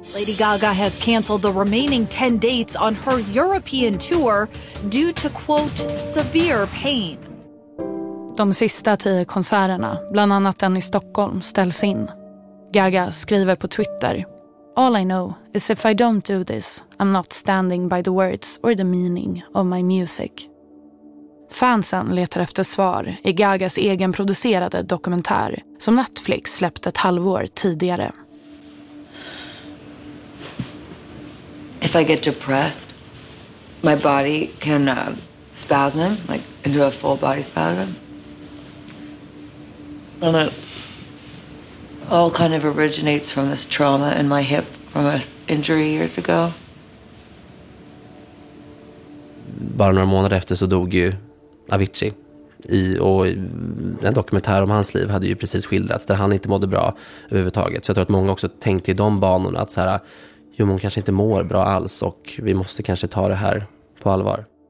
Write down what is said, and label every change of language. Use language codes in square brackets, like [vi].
[en] Lady Gaga has canceled the remaining 10 dates on her European tour due to, quote, severe pain. [sv] De sista 10 konserterna, bland annat den i Stockholm, ställs in. Gaga skriver på Twitter, [en] "All I know is if I don't do this, I'm not standing by the words or the meaning of my music." [sv] Fansen letar efter svar i Gagas egenproducerade dokumentär som Netflix släppte ett halvår tidigare. [en] If I get depressed, my body can spasm, like into a full body spasm. And it all kind of originates from this trauma in my hip from an injury years ago. [sv] Bara några månader efter så dog ju Avicii. Och en dokumentär om hans liv hade ju precis skildrats där han inte mådde bra överhuvudtaget. Så jag tror att många också tänkte i de banorna att så här, jo, hon kanske inte mår bra alls och vi måste kanske ta det här på allvar.